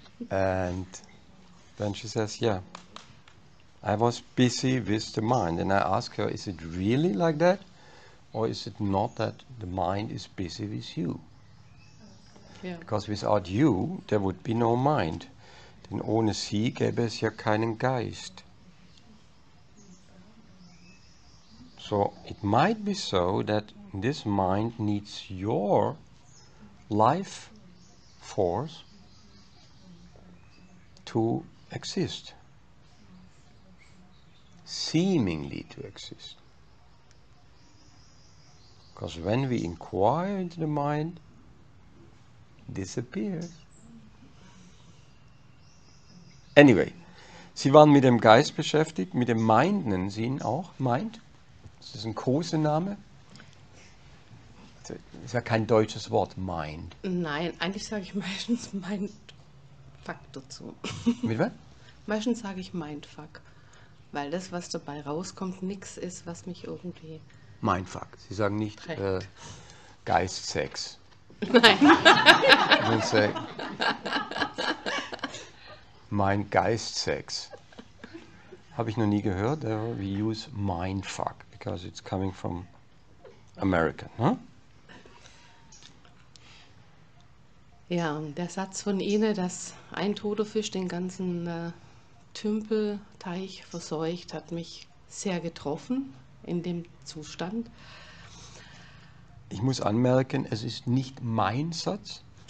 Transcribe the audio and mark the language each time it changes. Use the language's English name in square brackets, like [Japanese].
[English] And then she says, yeah, I was busy with the mind. And I ask her, is it really like that? Or is it not that the mind is busy with you? Because without you, there would be no mind. [German] Denn ohne sie gäbe es ja keinen Geist. [English] So it might be so that this mind needs your life force to exist, seemingly to exist. Because when we inquire into the mind, it disappears. [German] Anyway, Sie waren mit dem Geist beschäftigt, mit dem Mind nennen Sie ihn auch, Mind. Das ist ein Kosename. Das ist ja kein deutsches Wort, Mind. Nein, eigentlich sage ich meistens Mindfuck dazu. Mit was? Meistens sage ich Mindfuck, weil das, was dabei rauskommt, nichts ist, was mich irgendwie Mindfuck. Sie sagen nicht trägt. Geistsex. Nein. Sondern sagen mein Geistsex. Habe ich noch nie gehört. [English] We use Mindfuck, because it's coming from America. Huh? [German] Ja, der Satz von Ihnen, dass ein toter Fisch den ganzen Tümpelteich verseucht, hat mich sehr getroffen in dem Zustand. Ich muss anmerken, es ist nicht mein Satz.